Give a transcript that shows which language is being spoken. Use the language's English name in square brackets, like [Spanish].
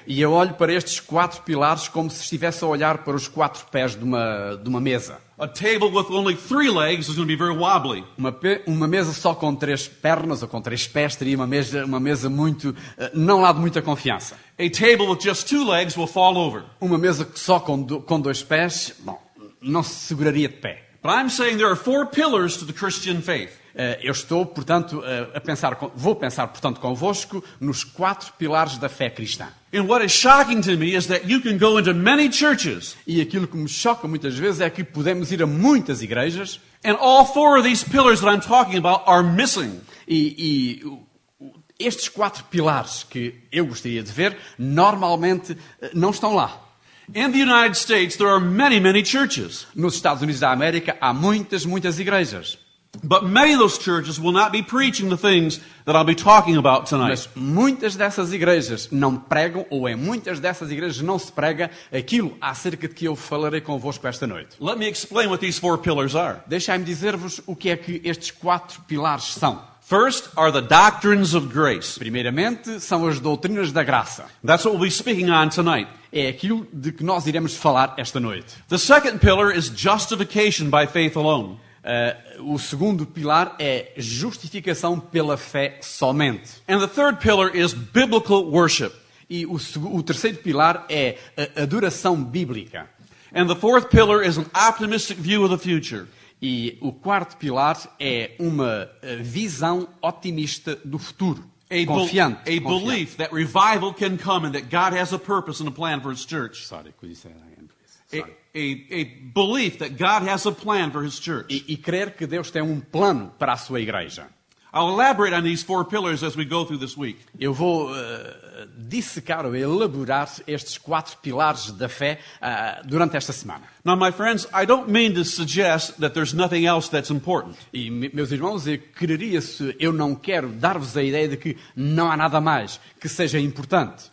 [Portuguese] E eu olho para estes quatro pilares como se estivesse a olhar para os quatro pés de uma mesa. [English] A table with only three legs is going to be very wobbly. [Portuguese] Uma mesa só com três pernas ou com três pés teria uma mesa muito não lá de muita confiança. [English] A table with just two legs will fall over. [Portuguese] Uma mesa só com dois pés, bom, não se seguraria de pé. [English] But I'm saying there are four pillars to the Christian faith. [Portuguese] Eu estou, portanto, vou pensar, portanto, convosco nos quatro pilares da fé cristã. [English] And what is shocking to me is that you can go into many churches. [Portuguese] E aquilo que me choca muitas vezes é que podemos ir a muitas igrejas. [English] And all four of these pillars that I'm talking about are missing. [Portuguese] E estes quatro pilares que eu gostaria de ver, normalmente não estão lá. [English] In the United States there are many, many churches. [Portuguese] Nos Estados Unidos da América há muitas, muitas igrejas. [English] But many of those churches will not be preaching the things that I'll be talking about tonight. [Portuguese] Mas muitas dessas igrejas não pregam, ou em muitas dessas igrejas não se prega aquilo acerca de que eu falarei convosco esta noite. [English] Let me explain what these four pillars are. [Portuguese] Deixai-me dizer-vos o que é que estes quatro pilares são. [English] First are the doctrines of grace. [Portuguese] Primeiramente são as doutrinas da graça. [English] That's what we'll be speaking on tonight. [Portuguese] É aquilo de que nós iremos falar esta noite. [English] The second pillar is justification by faith alone. [Portuguese] O segundo pilar é justificação pela fé somente. [English] And the third pillar is biblical worship. [Portuguese] E o terceiro pilar é a adoração bíblica. [English] And the fourth pillar is an optimistic view of the future. [Portuguese] E o quarto pilar é uma visão otimista do futuro. Confiante. [English] A belief that revival can come and that God has a purpose and a plan for His church. Sorry, could you say that again, please? A belief that God has a plan for His church. [Portuguese] E crer que Deus tem plano para a sua igreja. [English] I'll elaborate on these four pillars as we go through this week. [Portuguese] Eu vou dissecar ou elaborar estes quatro pilares da fé durante esta semana. [English] Now, my friends, I don't mean to suggest that there's nothing else that's important. [Portuguese] E meus irmãos, eu não quero dar-vos a ideia de que não há nada mais que seja importante.